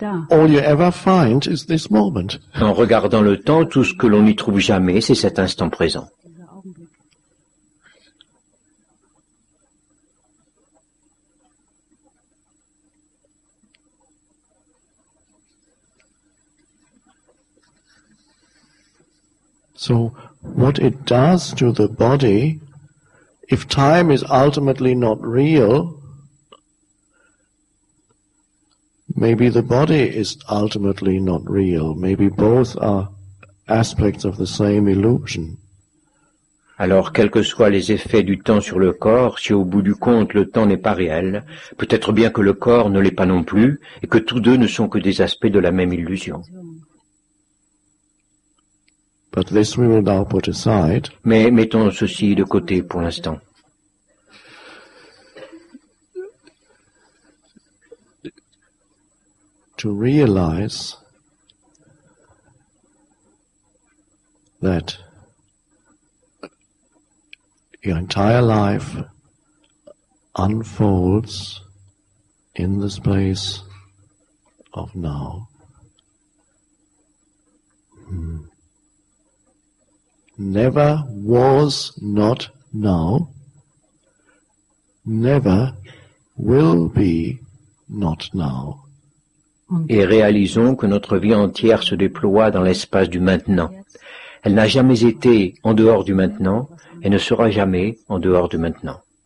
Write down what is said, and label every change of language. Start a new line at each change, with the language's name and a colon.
English: All you ever find is this moment.
French: En regardant le temps, tout ce que l'on n'y trouve jamais, c'est cet instant présent.
English: So, what it does to the body, if time is ultimately not real, maybe the body is ultimately not real. Maybe both are aspects of the same illusion.
French: Alors, quels que soient les effets du temps sur le corps, si au bout du compte le temps n'est pas réel, peut-être bien que le corps ne l'est pas non plus, et que tous deux ne sont que des aspects de la même illusion.
English: But this we will now put aside.
French: Mais mettons ceci de côté pour l'instant.
English: To realize that your entire life unfolds in the space of now. Never was not now, never will be not now.
French: Et réalisons que notre vie entière se déploie dans l'espace du maintenant. Elle n'a jamais été en dehors du maintenant et ne sera jamais en dehors du maintenant.